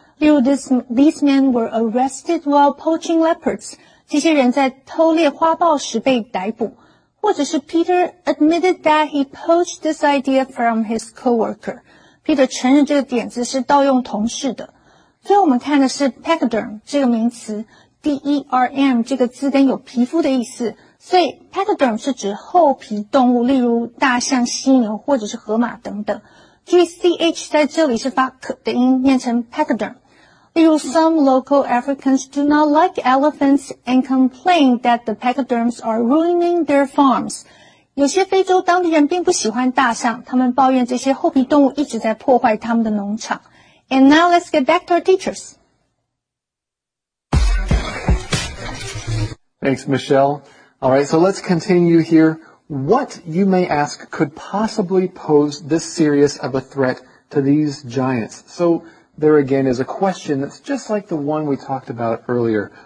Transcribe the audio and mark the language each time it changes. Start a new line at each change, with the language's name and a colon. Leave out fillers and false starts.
Chinese: 例如
English: ，these men were arrested while poaching leopards.
Chinese: 这些人在偷猎花豹时被逮捕。或者是
English: Peter admitted that he poached this idea from his co-worker.
Chinese: Peter 承认这个点子是盗用同事的。所以我们看的是 pachyderm 这个名词 ,D-E-R-M 这个字根有皮肤的意思。所以 pachyderm 是指厚皮动物，例如大象、犀牛或者是河马等等。 G-C-H 在这里是发 k 的音，念成 pachyderm。例如
English: ,some local Africans do not like elephants and complain that the pachyderms are ruining their farms.
Chinese: 有些非洲当地人并不喜欢大象，他们抱怨这些后皮动物一直在破坏他们的农场。
English: And now let's get back to our teachers. Thanks, Michelle. All right, so let's continue here. What, you may ask, could possibly pose this serious of a threat to these giants? So there again is a question that's just like the one we talked about earlier.